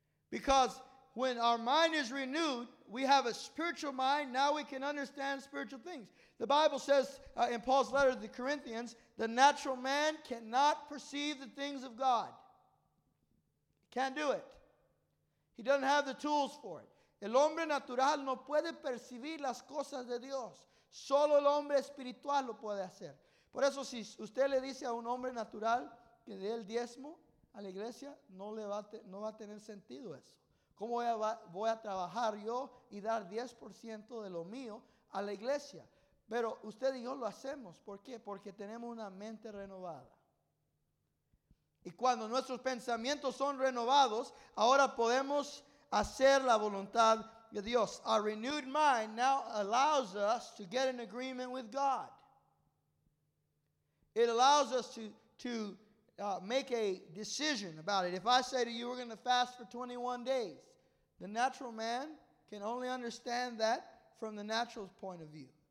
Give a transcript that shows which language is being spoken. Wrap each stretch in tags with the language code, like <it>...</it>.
<en>Because when our mind is renewed, we have a spiritual mind. Now we can understand spiritual things. The Bible says in Paul's letter to the Corinthians, the natural man cannot perceive the things of God. He can't do it. He doesn't have the tools for it.</en> <es>El hombre natural no puede percibir las cosas de Dios. Solo el hombre espiritual lo puede hacer. Por eso, si usted le dice a un hombre natural que dé el diezmo a la iglesia, no va a tener sentido eso. ¿Cómo voy a trabajar yo y dar 10% de lo mío a la iglesia? Pero usted y yo lo hacemos. ¿Por qué? Porque tenemos una mente renovada. Y cuando nuestros pensamientos son renovados, ahora podemos hacer la voluntad de Dios.</es> <en>Our renewed mind now allows us to get in agreement with God. It allows us to make a decision about it. If I say to you, we're going to fast for 21 days, the natural man can only understand that from the natural point of view.</en>